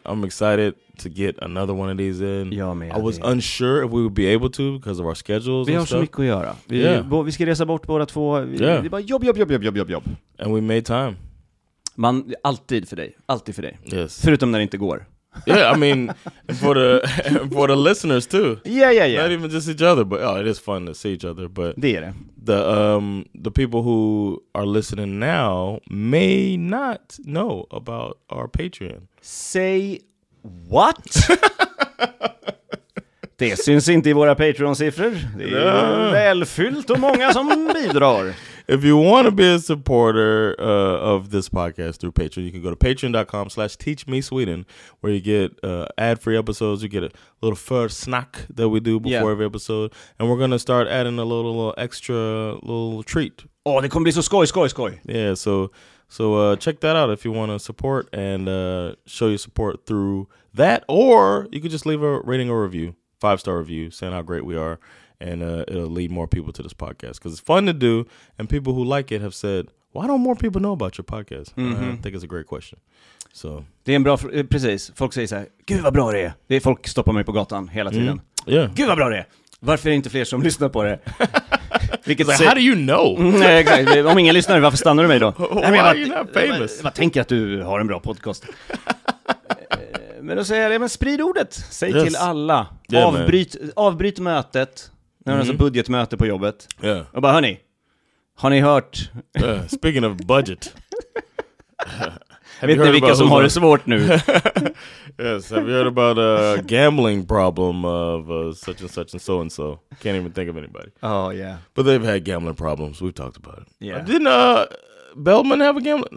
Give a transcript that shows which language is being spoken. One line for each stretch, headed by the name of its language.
English: I'm excited to get another one of these in.
Swedish: Ja, men
English: I was unsure if we would be able to because of our schedules.
Swedish: Vi
English: and
Swedish: har
English: stuff.
Swedish: Så mycket att göra. Vi ska resa bort båda två.
English: Yeah.
Swedish: Det är bara jobb.
English: And we made time.
Swedish: Man, alltid för dig. Alltid för dig.
English: Yes.
Swedish: Förutom när det inte går.
English: Yeah, I mean, for the listeners too. Yeah. Not even just each other, but oh, it is fun to see each other. But
Swedish: det är det.
English: The people who are listening now may not know about our Patreon. Say what?
Swedish: Det syns inte i våra Patreon-siffror. Det är välfyllt och många som bidrar.
English: If you want to be a supporter of this podcast through Patreon, you can go to patreon.com/teachmesweden where you get ad-free episodes. You get a little first snack that we do before every episode. And we're going to start adding a little extra little treat.
Swedish: Åh, det kommer bli så skoj.
English: Yeah, so check that out if you want to support and show your support through that. Or you could just leave a rating or review, 5-star review, saying how great we are. And it'll lead more people to this podcast because it's fun to do. And people who like it have said, why don't more people know about your podcast? Mm-hmm. I think it's a great question. So
Swedish: det är en bra precis. Folk säger så här, gud vad bra det är. Det är folk stoppar mig på gatan hela tiden. Mm.
English: Yeah.
Swedish: Gud vad bra det är. Varför är det inte fler som lyssnar på det? Vilket
English: like, how do you know?
Swedish: Om ingen lyssnar, varför stannar du mig då?
English: Why are you not famous?
Swedish: Jag tänker att du har en bra podcast. Men då säger jag, men sprid ordet. Säg yes. till alla.
English: Yeah,
Swedish: avbryt mötet. När man har budgetmöte på jobbet.
English: Yeah.
Swedish: Och bara, hörni, har ni hört?
English: Speaking of budget.
Swedish: Vet ni vilka som har det svårt nu?
English: Yes, have you heard about a gambling problem of such and such and so? Can't even think of anybody. Oh, yeah. But they've had gambling problems. We've talked about it. Yeah. Didn't Bellman have a gambling?